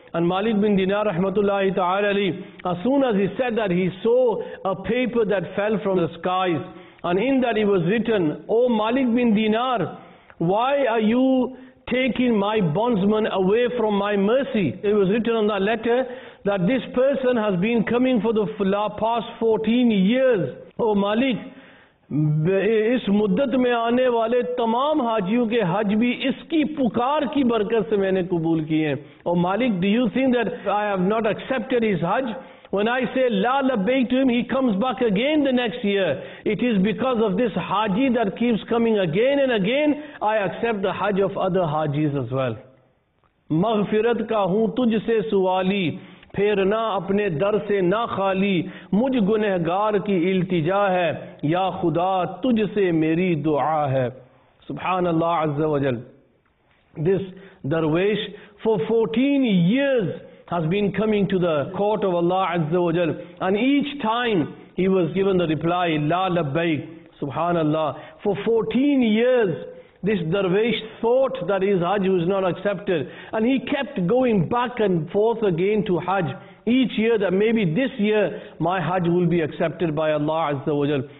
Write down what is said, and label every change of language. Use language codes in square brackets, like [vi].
[en] And Malik bin Dinar rahmatullahi ta'ala, as soon as he said that, he saw a paper that fell from the skies. And in that it was written, O Malik bin Dinar, why are you taking my bondsman away from my mercy? It was written on that letter that this person has been coming for the past 14 years. O Malik, [ur] اس مدت میں آنے والے تمام حاجیوں کے حج بھی اس کی پکار کی برکت سے میں نے قبول کی ہیں. [en] او مالک, do you think that I have not accepted his حج? When I say لا لبیک to him, he comes back again the next year. It is because of this حاجی that keeps coming again and again, I accept the حج of other حاجیز as well. [ur] مغفرت کا ہوں تجھ سے سوالی, پھر نہ اپنے در سے نہ خالی, مجھ گنہگار کی التجا ہے, یا خدا تجھ سے میری دعا ہے. [ar] سبحان اللہ عز و جل. [en] This درویش for 14 years has been coming to the court of Allah عز و جل, and each time he was given the reply لا لبیک. سبحان اللہ, for 14 years this Darvish thought that his Hajj was not accepted, and he kept going back and forth again to Hajj each year, that maybe this year my Hajj will be accepted by Allah Azza wa Jal.